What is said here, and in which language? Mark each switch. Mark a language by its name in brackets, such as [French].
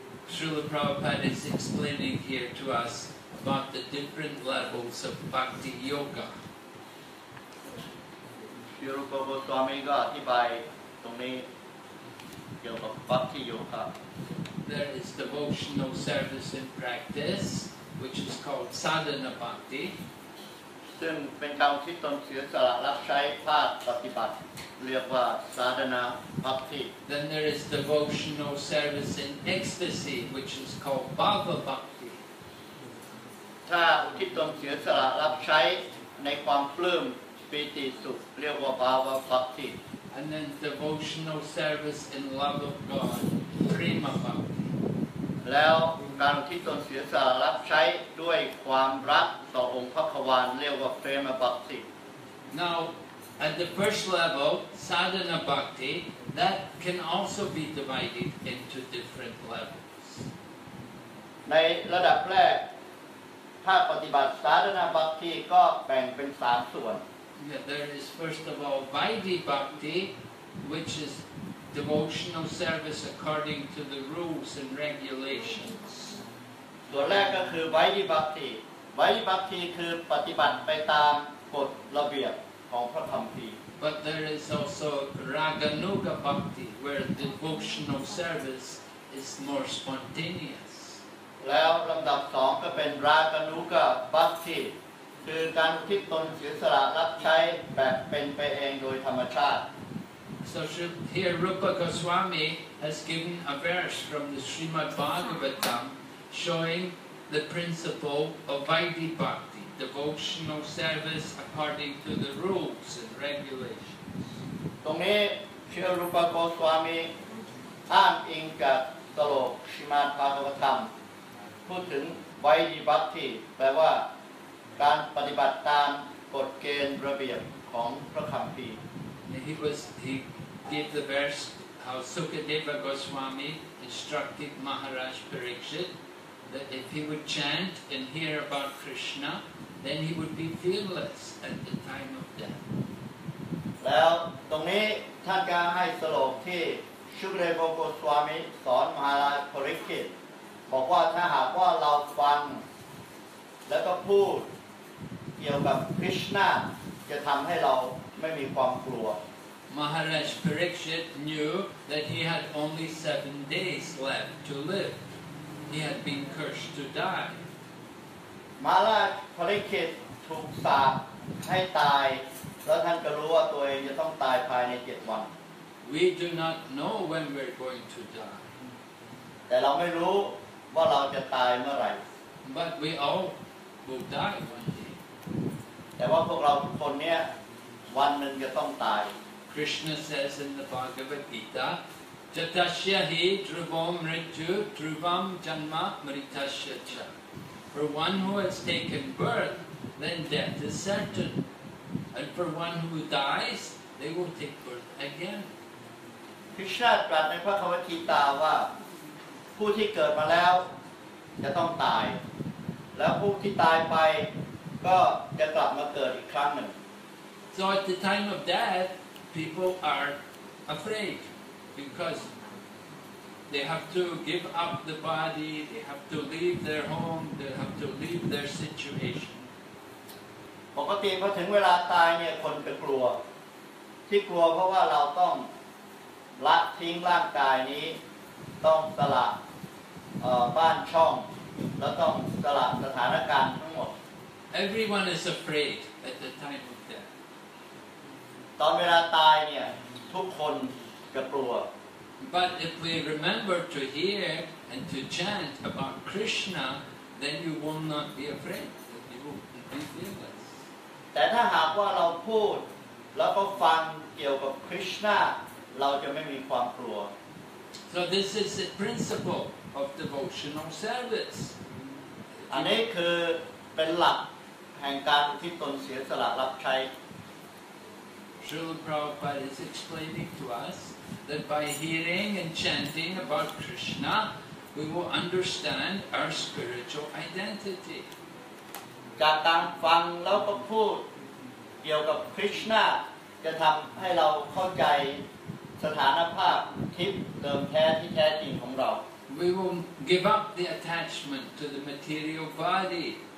[English] Srila Prabhupada is explaining here to us about the different levels of Bhakti Yoga. Srila Prabhupada is explaining here to us Bhakti Yoga. There is devotional service and practice, which is called Sadhana Bhakti. [Thai] ซึ่งเป็นการที่ตนเสียสละรับใช้ภาคปฏิบัติเรียกว่า Sadhana Bhakti. [English] Then there is devotional service in ecstasy, which is called Bhava Bhakti. [Thai] ถ้าที่ตนเสียสละรับใช้ในความปลื้มปิติสุขเรียกว่า Bhava Bhakti. [English] And then devotional service in love of God, prema bhakti. [Thai] แล้วการที่ตนเสียสละรับใช้ด้วยความรักต่อองค์พระควานเรียกว่าเพรมบัพติ [English] Now, at the first level, sadhana bhakti, that can also be divided into different levels. [Thai] ในระดับแรกถ้าปฏิบัติสาธารณบัพติก็แบ่งเป็น3ส่วน [English] Yeah, there is first of all Vaidhi Bhakti, which is devotional service according to the rules and regulations. [Thai] ส่วนแรกก็คือ Vaidhi Bhakti. Vaidhi Bhakti คือปฏิบัติไปตามกฎระเบียบของพระคัมภีร์ [English] But there is also Raganuga Bhakti, where devotional service is more spontaneous. [Thai] แล้วลำดับ2ก็เป็นราคะนุกะบัพติคือการอุทิศตนเสียสละรับใช้แบบเป็นไปเองโดยธรรมชาติ [English] So here Rupa Goswami has given a verse from the Srimad Bhagavatam showing the principle of Vaidhi Bhakti devotional service according to the rules and regulations [Thai] ตรงนี้ Srila Rupa Goswami อ้างอิงกับสโลก Srimad Bhagavatamพูดถึงไวยิบัติแปลว่าการปฏิบัติตามกฎเกณฑ์ระเบียบของพระคัมภีร์ [English] He gave the verse how Sukadeva Goswami instructed Maharaj Parikshit that if he would chant and hear about Krishna then he would be fearless at the time of death [Thai] แล้วตรงนี้ท่านก็ให้สโลกที่ Sukadeva Goswami สอนมหาราชปริกขิตบอกว่าถ้าหากว่าเราฟังแล้วก็พูดเกี่ยวกับคริสต์นาจะทำให้เราไม่มีความกลัว [English] Maharaj Parikshit knew that he had only 7 days left to live. He had been cursed to die. [Thai] Maharaj Parikshit ถูกสาปให้ตายแล้วท่านก็รู้ว่าตัวเองจะต้องตายภายใน7วัน [English] We do not know when we're going to die. [Thai] แต่เราไม่รู้ว่าเราจะตายเมื่อไหร่ [English] But we all will die one day [Thai] แต่ว่าพวกเราทุกคนเนี่ยวันนึงจะต้องตาย [English] Krishna says in the Bhagavad Gita [Sanskrit] Jatashya hi dhruvam mrityu dhruvam janma mrityasya cha [English] For one who has taken birth then death is certain and for one who dies they will take birth again [Thai] Krishna ตรัสในพระคัมภีร์กีตาว่าผู้ที่เกิดมาแล้วจะต้องตายแล้วผู้ที่ตายไปก็จะกลับมาเกิดอีกครั้งหนึ่ง [English] So at the time of death people are afraid because they have to give up the body they have to leave their home they have to leave their situation [Thai] ปกติพอถึงเวลาตายเนี่ยคนจะกลัวที่กลัวเพราะว่าเราต้องละทิ้งร่างกายนี้ต้องสละบ้านช่องแล้วต้องสละสถานการณ์ทั้งหมด [English] Everyone is afraid at the time of death [Thai] ตอนเวลาตายเนี่ยทุกคนจะกลัว [English] But if we remember to hear and to chant about Krishna then you will not be afraid you will be fearless [Thai] แต่ถ้าหากว่าเราพูดแล้วก็ฟังเกี่ยวกับคริสต์นาเราจะไม่มีความกลัว [English] So this is the principle of devotional service. [Thai] อันนี้คือเป็นหลักแห่งการที่ตนเสียสละรับใช้ [English] Srila Prabhupada is explaining to us that by hearing and chanting about Krishna, we will understand our spiritual identity. [Thai] จากการฟังแล้วก็พูดเกี่ยวกับคริสต์นาจะทำให้เราเข้าใจสถานภาพทิพย์เติมแท้ที่แท้จริงของเรา [English] We will give up the attachment to the material body